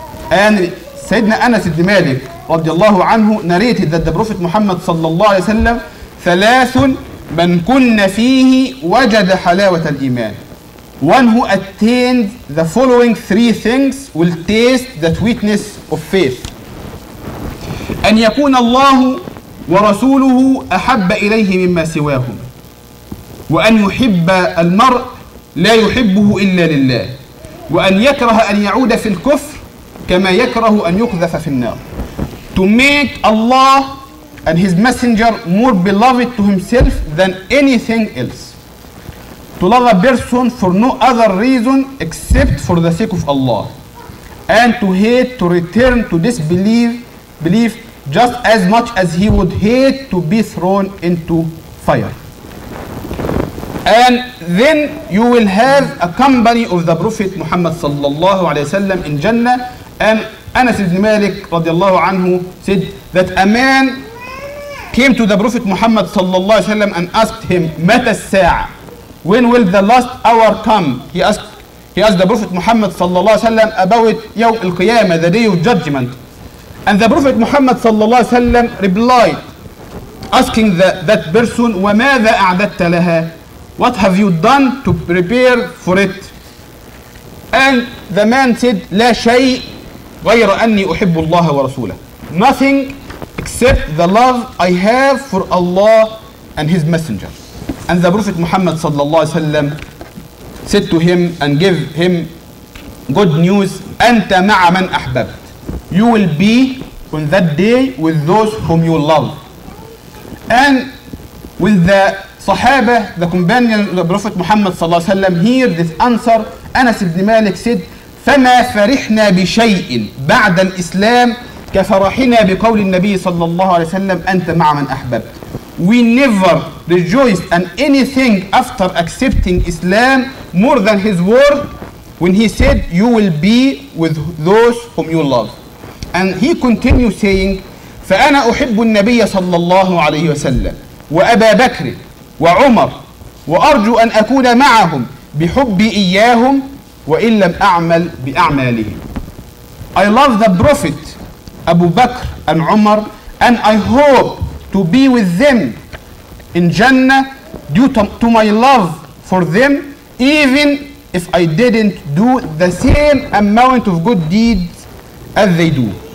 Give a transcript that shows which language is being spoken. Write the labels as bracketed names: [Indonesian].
[English] And Sayyidina Anas ibn Malik radiallahu anhu narrated that the Prophet Muhammad sallallahu alaihi wasallam, [Arabic] thalathun man kunna fihi wajada halawat al-Iman. [English] One who attained the following three things will taste the sweetness of faith. [Arabic] أن يكون الله ورسوله أحب إليه مما سواهم, وأن يحب المرء لا يحبه إلا لله, وأن يكره أن يعود في الكفر كما يكره أن يقذف في النار. [English] To make Allah and His Messenger more beloved to Himself than anything else. To love a person for no other reason except for the sake of Allah. And to hate, to return to disbelief just as much as he would hate to be thrown into fire. And then you will have a company of the Prophet Muhammad sallallahu alayhi wa sallam in Jannah. And Anas ibn Malik radiallahu anhu said that a man came to the Prophet Muhammad sallallahu alayhi wa sallam and asked him, [Arabic] Mata as-sa'a? [English] When will the last hour come? He asked the Prophet Muhammad sallallahu alayhi wa sallam about Yawm al-Qiyamah, the day of judgment. And the Prophet Muhammad sallallahu alaihi wasallam replied, asking that person, [Arabic] وَمَاذَا أَعْدَدْتَ لَهَا? [English] What have you done to prepare for it? And the man said, [Arabic] لا شيء غير أني أحب الله ورسوله. [English] Nothing except the love I have for Allah and His Messenger. And the Prophet Muhammad sallallahu alaihi wasallam said to him and gave him good news, [Arabic] أنت مع من أحبب. [English] You will be on that day with those whom you love. And when the Sahaba, the companion of the Prophet Muhammad sallallahu alaihi wasallam, heard this answer, Anas ibn Malik said, [Arabic] فَمَا فَرِحْنَا بِشَيْءٍ بَعْدَ الْإِسْلَامِ كَفَرَحِنَا بِقَوْلِ النَّبِيِّ صَلَّى اللَّهُ عَلَيْهِ وَسَلَّمَ أَنْتَ مَعَ مَنْ أَحْبَبْتَ. [English] We never rejoiced in anything after accepting Islam more than his word when he said, you will be with those whom you love. And he continued saying, [Arabic] فأنا أحب النبي صلى الله عليه وسلم وأبا بكر وعمر وأرجو أن أكون معهم بحبي إياهم وإن لم أعمل بأعمالهم. [English] I love the Prophet Abu Bakr and Umar, and I hope to be with them in Jannah due to my love for them, even if I didn't do the same amount of good deeds as they do.